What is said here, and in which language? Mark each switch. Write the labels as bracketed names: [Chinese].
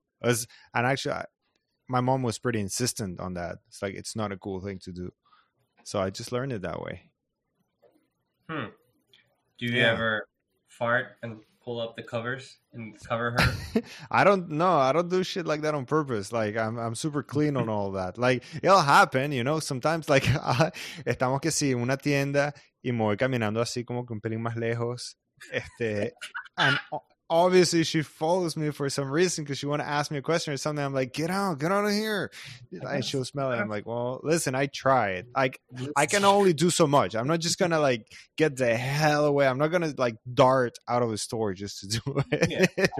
[English] And actually, my mom was pretty insistent on that. It's like, it's not a cool thing to do. So I just learned it that way. Do you ever fart and pull up the covers and cover her? I don't know. I don't do shit like that on purpose. Like, I'm super clean on all that. Like, it'll happen, you know? Sometimes, like, [Spanish] estamos que sí en una tienda y me voy caminando así como que un pelín más lejos. [English] And obviously, she follows me for some reason because she want to ask me a question or something. I'm like, get out of here. And she'll smell it. I'm like, well, listen, I tried. Like, I can only do so much. I'm not just going to, like, get the hell away. I'm not going to, like, dart out of the store just to do it.